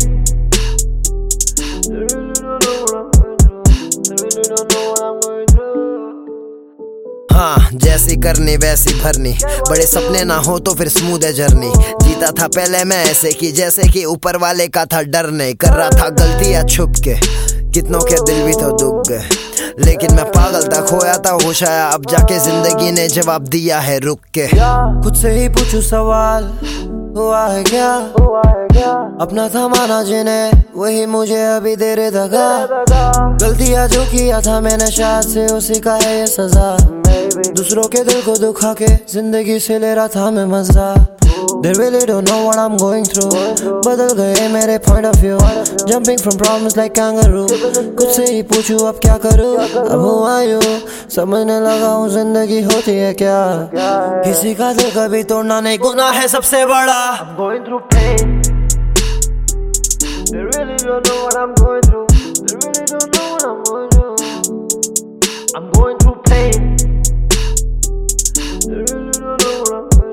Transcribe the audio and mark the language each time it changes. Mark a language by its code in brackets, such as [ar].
[en] They really don't know what I'm going through. They really don't know what I'm going through. [hi] हाँ, जैसी करनी वैसी भरनी बड़े सपने ना हो तो फिर स्मूद है जर्नी जीता था पहले मैं ऐसे कि जैसे कि ऊपर वाले का था डर नहीं कर रहा था गलती या छुप के कितनों के दिल भी तो दुख गए लेकिन मैं पागल था खोया था होश आया अब जाके जिंदगी ने जवाब दिया है रुक के खुद से ही पूछूं सवाल हुआ है क्या अपना था माना जिने वही मुझे अभी देर दगा गलतियाँ जो किया था मैंने शायद से उसी का है ये सजा दूसरों के दिल को दुखा के जिंदगी से ले रहा था मैं मजा [en] They really don't know what I'm going through [hi] बदल गए मेरे [en] point of view Jumping from problems like kangaroo [hi] कुछ से ही पूछूं अब क्या करूं अब [en] who are you [hi] समझने लगा हूं जिंदगी होती है क्या किसी का दिल कभी तोड़ना नहीं गुनाह है सबसे बड़ा [en] I'm going through pain They really don't know what I'm going through They really don't know what I'm going through I'm going through pain They really don't know what I'm